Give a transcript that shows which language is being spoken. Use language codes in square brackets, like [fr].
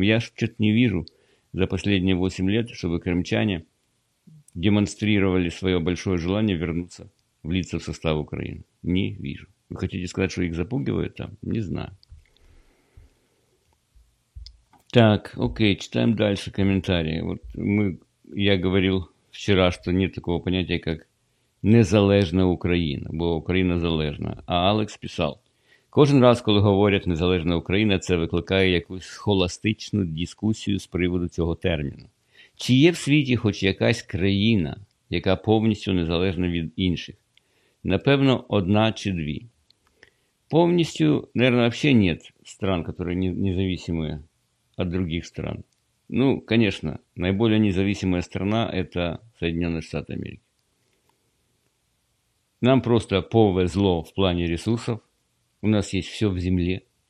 [ru] Я что-то не вижу за последние 8 лет, чтобы крымчане демонстрировали свое большое желание вернуться, влиться в состав Украины. Не вижу. Вы хотите сказать, что их запугивают там? Не знаю. Так, окей, читаем дальше комментарии. Вот я говорил вчера, что нет такого понятия, как [uk] незалежна Україна, бо Україна залежна. А Алекс писав: кожен раз, коли говорять незалежна Україна, це викликає якусь схоластичну дискусію з приводу цього терміну. Чи є в світі хоч якась країна, яка повністю незалежна від інших? Напевно, одна чи дві. [ru] Повністю, наверное, вообще нет стран, которые независимые от других стран. Ну, конечно, наиболее независимая страна – это Соединенные Штаты Америки. Нам просто повезло в плане ресурсов. У нас есть все в земле.